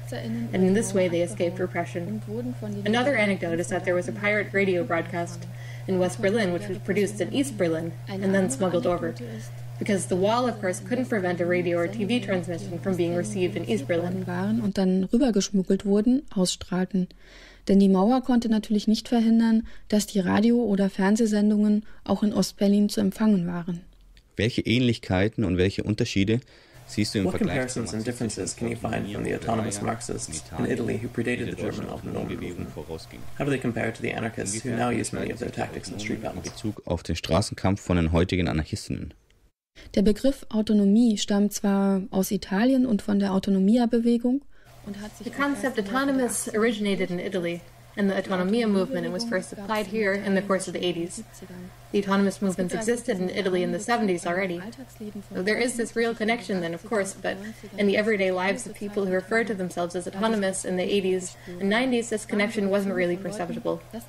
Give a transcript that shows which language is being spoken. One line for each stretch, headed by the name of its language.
English: And in this way, they escaped repression. Another anecdote is that there was a pirate radio broadcast in West Berlin, which was produced in East Berlin and then smuggled over. Because the wall, of course, couldn't prevent a radio or TV transmission from being received in East Berlin.
German: Und dann rübergeschmuggelt wurden, ausstrahlten. Denn die Mauer konnte natürlich nicht verhindern, dass die Radio- oder Fernsehsendungen auch in Ostberlin zu empfangen waren. Welche Ähnlichkeiten und welche Unterschiede siehst du im Vergleich?
English: What comparisons and differences can you find from the autonomous Marxists in Italy who predated the German autonomy movement? How do they compare to the anarchists who now use many of their tactics in street battles?
German: In Bezug auf den Straßenkampf von den heutigen Anarchistinnen. Der Begriff Autonomie stammt zwar aus Italien und von der Autonomia-Bewegung.
English: The concept autonomous originated in Italy and the Autonomia movement and was first applied here in the course of the 80s. The autonomous movements existed in Italy in the 70s already. So there is this real connection then, of course, but in the everyday lives of people who refer to themselves as autonomous in the 80s and 90s, this connection wasn't really perceptible.